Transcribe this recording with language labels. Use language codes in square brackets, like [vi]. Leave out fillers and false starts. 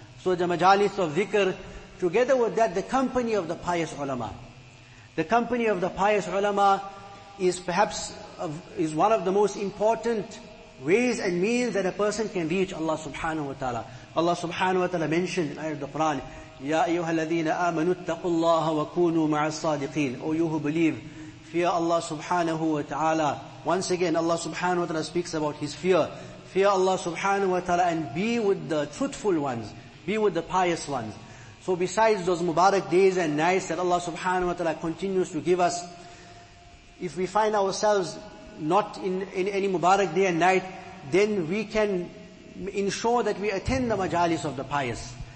[en] So the majalis of dhikr, together with that, the company of the pious ulama. The company of the pious ulama is perhaps is one of the most important ways and means that a person can reach Allah subhanahu wa ta'ala. Allah subhanahu wa ta'ala mentioned in the Quran, [ar] يا أيها الذين آمنوا اتقوا الله وكونوا مع الصادقين. [en] Oh, you who believe, fear Allah subhanahu wa ta'ala. Once again, Allah subhanahu wa ta'ala speaks about his fear. Fear Allah subhanahu wa ta'ala and be with the truthful ones. Be with the pious ones. So besides those Mubarak days and nights that Allah subhanahu wa ta'ala continues to give us, if we find ourselves not in any Mubarak day and night, then we can ensure that we attend the majalis of the pious.